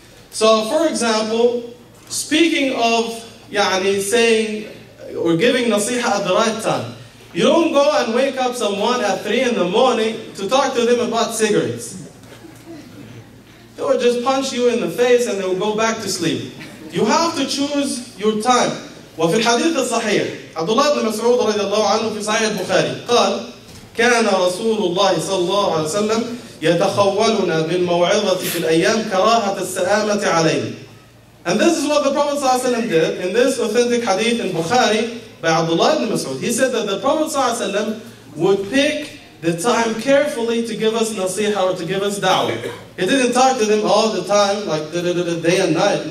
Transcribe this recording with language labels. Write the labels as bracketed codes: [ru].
[en] So, for example, speaking of, يعني, saying, or giving nasiha at the right time, you don't go and wake up someone at 3 in the morning to talk to them about cigarettes. They will just punch you in the face and they will go back to sleep. You have to choose your time. [ar] وفي الحديث الصحيح عبدالله بن مسعود رضي الله عنه في صحيح البخاري قال كان رسول الله صلى الله عليه وسلم يتخولنا بالموعظة في الأيام كراهة السآمة علينا. [en] And this is what the Prophet صلى الله عليه وسلم did in this authentic hadith in Bukhari by عبدالله بن مسعود. He said that the Prophet صلى الله عليه وسلم would pick the time carefully to give us nasiha or to give us da'wah. He didn't talk to them all the time, like day and night.